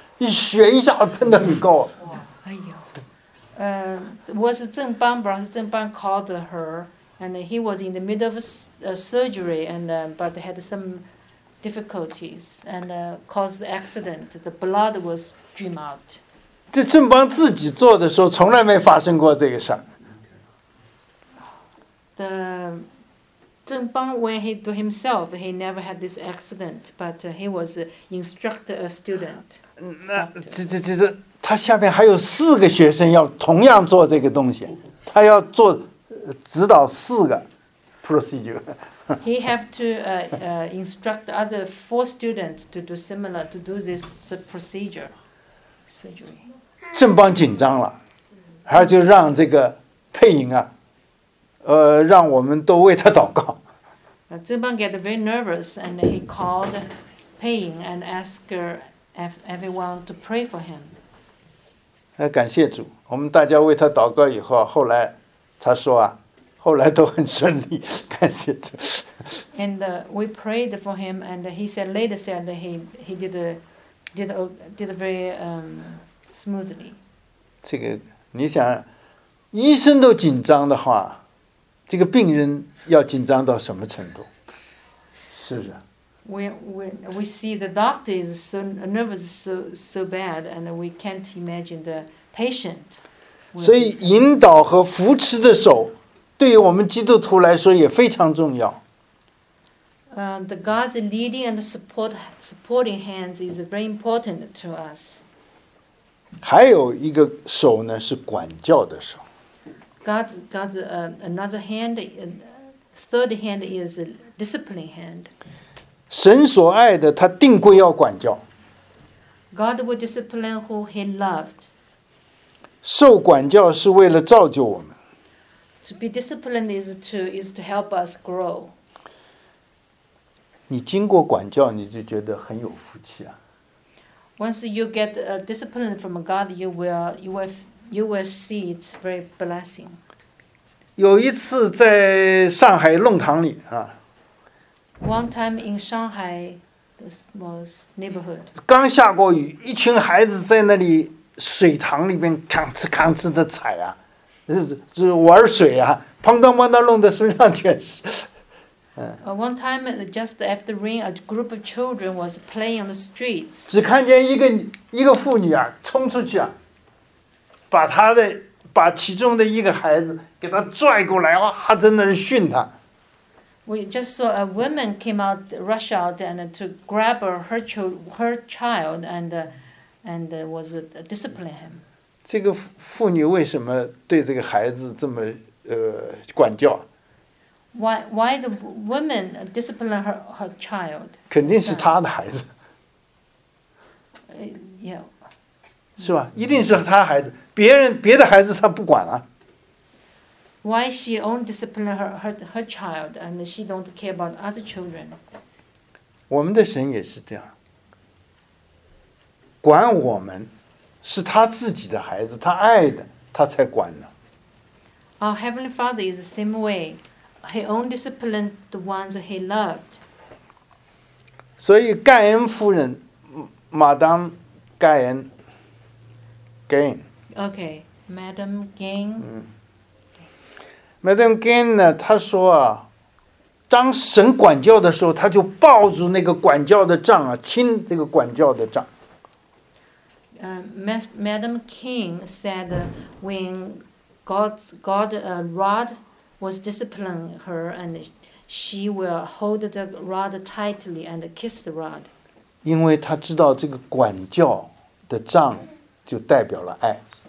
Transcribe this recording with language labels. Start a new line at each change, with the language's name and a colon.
Chinese: 一血一下喷得很高、啊。
English: 哎呦，was 郑邦 ，brother 郑邦 called her, and he was in the middle of a surgery, and but had some difficulties and caused the accident. The blood was stream out.
Chinese: 这郑邦自己做的时候，从来没发生过这个事儿。
English: The 郑邦 when he do himself, he never had this accident, but he was instructed a student.
Chinese: 那这他下面还有四个学生要同样做这个东西，他要做指导四个 procedure。
English: He have to instruct the other four students to do similar to do this procedure.
Chinese: 正邦紧张了，然后就让这个佩颖啊，让我们都为他祷告。
English: 正邦 get very nervous and he called 佩颖 and ask her. Everyone to pray for him.
Chinese: 感谢主，我们大家为他祷告以后，后来他说啊，后来都很顺利，感谢主。
English: And we prayed for him, and he said later said he did very smoothly.
Chinese: 这个你想，医生都紧张的话，这个病人要紧张到什么程度？是不是？
English: We see the doctor is so nervous, so bad, and we can't imagine the patient.
Chinese: 所以引导和扶持的手对于我们基督徒来说也非常重要。
English: The God's leading and supporting hands is very important to us.
Chinese: 还有一个手呢，是管教的手。
English: Another hand, third hand is a discipline hand.
Chinese: 神所爱的，他定规要管教。
English: God will discipline who He loved.
Chinese: 受管教是为了造就我们。
English: To be disciplined is to help us grow.
Chinese: 你经过管教，你就觉得很有福气啊。
English: Once you get a discipline from God, you will see it's very blessing.
Chinese: 有一次在上海弄堂里啊。
English: One time in Shanghai, the most neighborhood.
Chinese: 刚下过雨，一群孩子在那里水塘里边吭哧吭哧的踩啊，就玩水啊，砰当砰当弄得身上全是。
English: One time, just after rain, a group of children was playing on the streets.
Chinese: 只看见一个妇女啊，冲出去啊，把其中的一个孩子给他拽过来，哇，真的是训他。
English: We just saw a woman came out, rush out, and to grab her child, and was discipline him.
Chinese: 这个妇女为什么对这个孩子这么管教？
English: Why the woman discipline her child?
Chinese: 肯定是她的孩子。
English: Yeah.
Chinese: 是吧？一定是她孩子，别的孩子她不管了。
English: Why she only discipline her child and she don't care about other children?
Chinese: 我们的神也是这样，管我们是他自己的孩子，他爱的他才管呢。
English: Our Heavenly Father is the same way. He only disciplined the ones he loved.
Chinese: 所以盖恩夫人 Madame Gain.
English: Okay, Madame Gain.、
Chinese: Madame Gain 呢她说啊，当神管教的时候，她就抱住那个管教的杖啊，亲这个管教的杖。
English: Madame King said when God rod. Was disciplining her, and she will hold the rod tightly and kiss the rod.
Chinese: 因为她知道这个管教的杖就代表了爱。